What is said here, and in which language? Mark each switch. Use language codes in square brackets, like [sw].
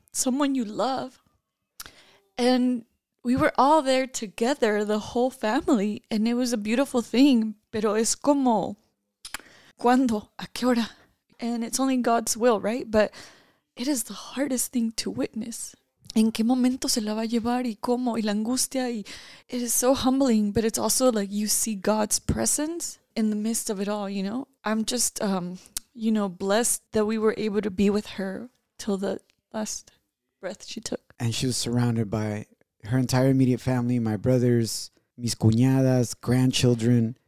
[en] Someone you love. And we were all there together, the whole family, and it was a beautiful thing. [es] Pero es como, ¿cuándo? ¿A qué hora? [en] And it's only God's will, right? But it is the hardest thing to witness. [es] ¿En qué momento se la va a llevar? ¿Y cómo? ¿Y la angustia? [en] Y it is so humbling, but it's also like you see God's presence in the midst of it all, you know? I'm just, blessed that we were able to be with her till the last breath she took. And she was surrounded by her entire immediate family, my brothers, [es] mis cuñadas, [en] grandchildren.